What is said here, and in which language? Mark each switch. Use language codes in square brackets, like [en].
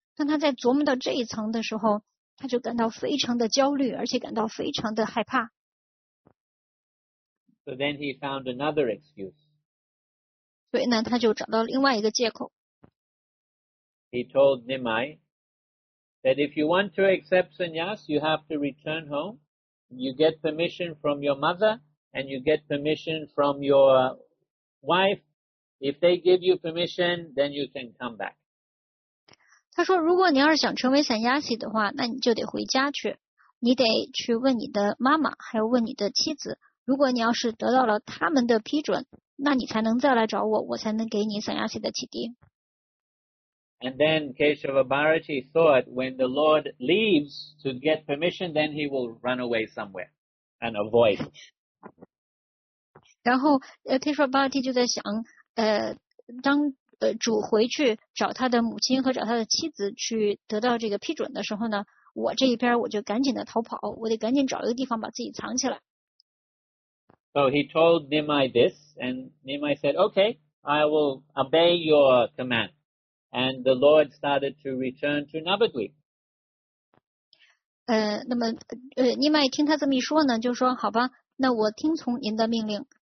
[zh] 当他在琢磨到这一层的时候，他就感到非常的焦虑，而且感到非常的害怕。 [en] So then he found another excuse. [zh] 所以呢他就找到另外一个借口。 [en] He told Nimai that if you want to accept sannyas, you have to return home. You get permission from your mother, and you get permission from your wife. If they give you permission, then you can come back. [zh] 他说，如果你要是想成为sannyasi的话，那你就得回家去。你得去问你的妈妈，还有问你的妻子。如果你要是得到了他们的批准，那你才能再来找我，我才能给你sannyasi的启迪。 [en] And then Keshava Bharati thought, when the Lord leaves to get permission, then he will run away somewhere and avoid. [zh] 然后 Keshava Bharati 就在想，当主回去找他的母亲和找他的妻子去得到这个批准的时候呢，我这一边我就赶紧的逃跑，我得赶紧找一个地方把自己藏起来。 [en] So he told Nimai this, and Nimai said, "Okay, I will obey your command." And the Lord started to return to Navadvip. [zh] 那么尼麦听他这么一说呢，就说好吧，那我听从您的命令。